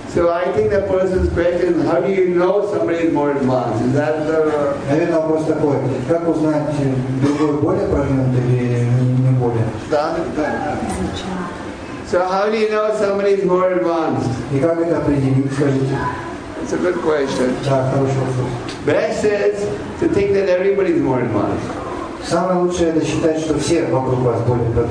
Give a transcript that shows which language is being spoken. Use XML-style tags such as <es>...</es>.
<en>So I think the person's question is, how do you know somebody is more advanced? Is that the...</en> <ru>Наверное, вопрос такой, как узнать, другой более продвинутый или не более? Да, да.</ru> <en>So how do you know somebody is more advanced?</en> <ru>И как это определить, скажите?</ru> <en>It's a good question.</en> <ru>Да, хороший вопрос.</ru> <en>Best is to think that everybody is more advanced.</en> <ru>Самое лучшее это считать, что все вокруг вас более</ru>